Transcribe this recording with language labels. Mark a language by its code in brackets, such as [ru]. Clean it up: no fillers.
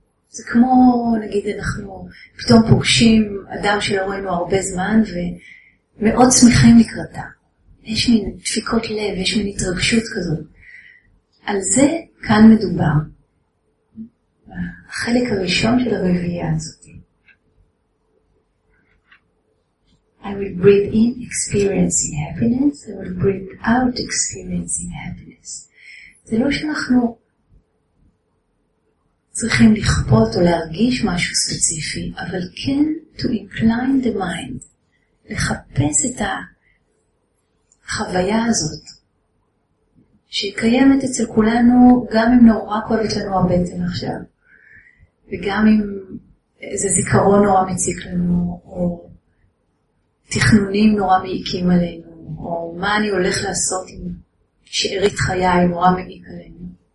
[he] זה כמו, נגיד, אנחנו פתאום פוגשים אדם שלא ראינו הרבה זמן ומאוד שמחים לקראתה. יש מין דפיקות לב, יש מין התרגשות כזאת. על זה כאן מדובר. החלק הראשון של הרביעייה הזאת. [en] I will breathe in experiencing happiness. I will breathe out experiencing happiness. [he] זה לא שאנחנו צריכים לכפות או להרגיש משהו ספציפי, אבל כן [en] to incline the mind, [he] לחפש את החוויה הזאת שהיא קיימת אצל כולנו, גם אם נורא כואבת לנו הבטן עכשיו, וגם אם איזה זיכרון נורא מציק לנו, או תכנונים נורא מעיקים עלינו, או מה אני הולך לעשות עם שארית חיי נורא מעיק עלינו.